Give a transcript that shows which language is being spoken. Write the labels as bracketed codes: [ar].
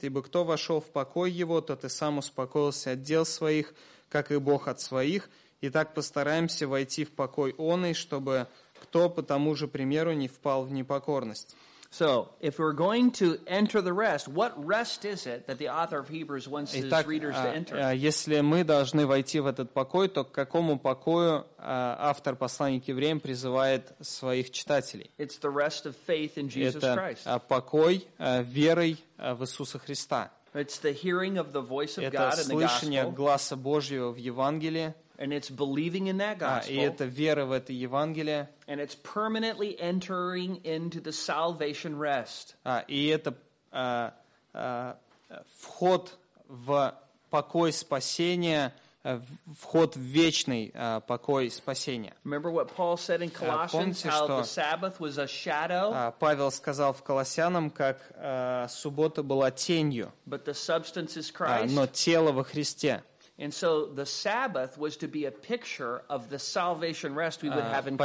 [ru] Ибо кто вошел в покой его, тот и сам успокоился от дел своих, как и Бог от своих, и так постараемся войти в покой оный, чтобы кто по тому же примеру не впал в непокорность. [en] So, if we're going to enter the rest, what rest is it that the author of Hebrews wants his readers to enter? [ru] Если мы должны войти в этот покой, то к какому покою автор послания к евреям призывает своих читателей? [en] It's the rest of faith in Jesus Christ. [ru] Это покой верой в Иисуса Христа. [en] It's the hearing of the voice of God in the gospel. [ru] Это слышание гласа Божьего в Евангелии. [en] And it's believing in that gospel. [ru] И это вера в это Евангелие. [en] And it's permanently entering into the salvation rest. [ru] И это вход в покой спасения, вход в вечный покой спасения. [en] Remember what Paul said in Colossians, [ru] помните, [en] how [ru] что, [en] the Sabbath was a shadow? [ru] Павел сказал в Колоссянам, как суббота была тенью. [en] But the substance is Christ. [ru] Но тело во Христе. [en] And so the Sabbath was to be a picture of the salvation rest we would have in